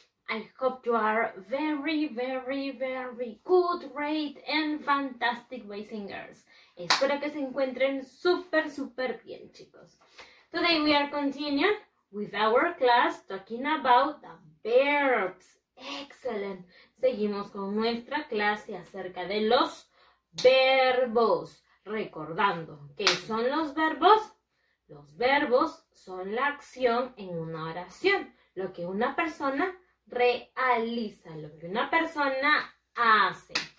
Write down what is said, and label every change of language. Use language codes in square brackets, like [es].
[en] I hope you are very, very, very good, great, and fantastic, boys and girls. [es] Espero que se encuentren super, super bien, chicos. [en] Today we are continuing with our class talking about the verbs. Excellent. [es] Seguimos con nuestra clase acerca de los verbos. Recordando, ¿qué son los verbos? Los verbos son la acción en una oración, lo que una persona realiza, lo que una persona hace.